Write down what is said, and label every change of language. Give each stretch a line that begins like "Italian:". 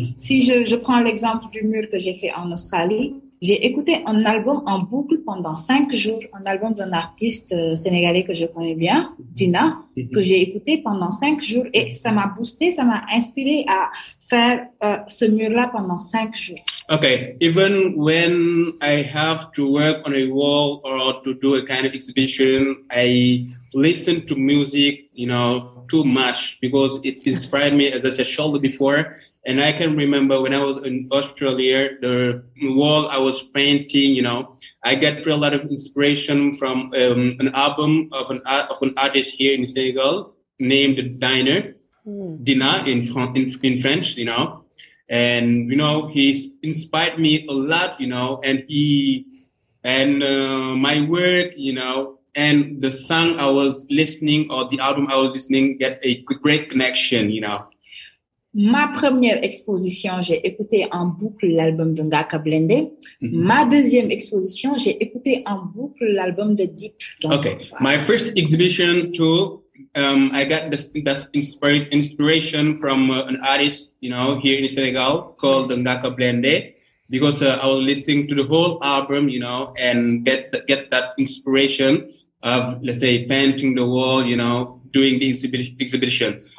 French: Si je prends l'exemple du mur que j'ai fait en Australie, j'ai écouté un album en boucle pendant 5 jours, un album d'un artiste sénégalais que je connais bien, Dina, que j'ai écouté pendant 5 jours et ça m'a boosté, ça m'a inspiré à faire ce mur-là pendant 5 jours.
English: Okay, even when I have to work on a wall or to do a kind of exhibition, I listen to music, you know, too much because it inspired me, as I said shortly before. And I can remember when I was in Australia, the wall I was painting, you know, I get a lot of inspiration from an album of an artist here in Senegal named Diner, Dina in French, you know. And, you know, he inspired me a lot, you know, and my work, you know, and the song I was listening or the album I was listening get a great connection, you know.
French: Ma première exposition, j'ai écouté en boucle l'album de Ngaka Blende. Mm-hmm. Ma deuxième exposition, j'ai écouté en boucle l'album de Deep.
English: Okay, my first exhibition too. I got this inspiration from an artist, you know, here in Senegal called Ngaka Blende, because I was listening to the whole album, you know, and get that inspiration of, let's say, painting the wall, you know, doing the exhibition.